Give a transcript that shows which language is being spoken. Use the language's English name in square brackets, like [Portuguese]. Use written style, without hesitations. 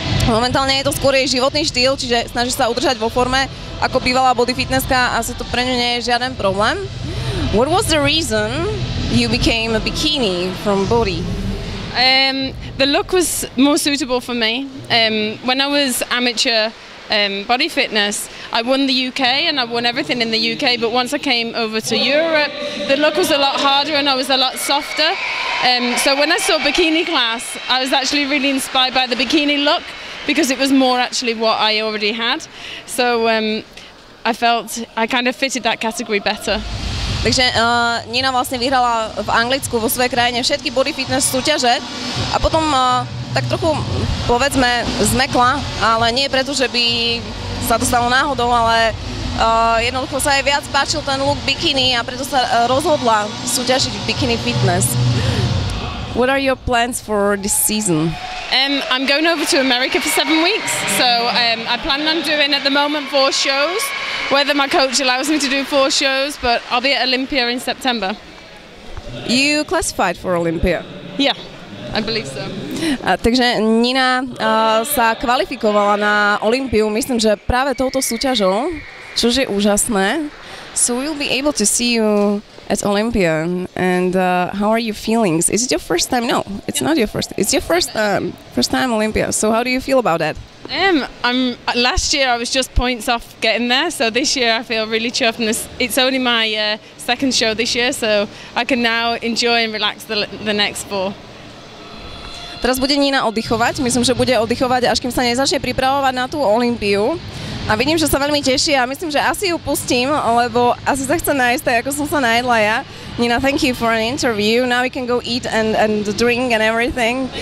[Slovak] Momentálne je to skôr jej životný štýl, čiže snaží sa udržať vo forme. Ako bývalá body fitnesska asi to pre ňu nie je žiaden problém. [English] What was the reason you became a bikini from body? The look was more suitable for me. When I was amateur body fitness, I won the UK and I won everything in the UK, but once I came over to Europe, the look was a lot harder and I was a lot softer. So when I saw bikini class, I was actually really inspired by the bikini look, because it was more actually what I already had. So I felt I kind of fitted that category better. [Slovak] Takže Nina vlastne vyhrala v Anglicku, vo svojej krajine, všetky body fitness súťaže a potom tak trochu, povedzme, zmekla, ale nie preto, že by sa to stalo náhodou, ale jednoducho sa jej viac páčil ten look bikini a preto sa rozhodla súťažiť v bikini fitness. [English] What are your plans for this season? I'm going over to America for 7 weeks, so I plan on doing at the moment 4 shows, whether my coach allows me to do 4 shows, but I'll be at Olympia in September. You classified for Olympia? Yeah, I believe so. [Slovak] Takže Nina sa kvalifikovala na Olympiu, myslím, že práve touto súťažou, čo je úžasné. [English] So we'll be able to see you at Olympia, and how are your feelings? Is it your first time? No, it's not your first. It's your first time Olympia. So how do you feel about that? Last year I was just points off getting there, so this year I feel really chuffed. It's only my second show this year, so I can now enjoy and relax the next 4. [Slovak] Teraz bude Nina oddychovať. Myslím, že bude oddychovať, až kým sa nezačne pripravovať na tú Olympiu. A vidím, že sa veľmi teší a myslím, že asi ju pustím, lebo asi sa chce nájsť tak, ako som sa najedla ja. [English] Nina, thank you for an interview. Now we can go eat and drink and everything.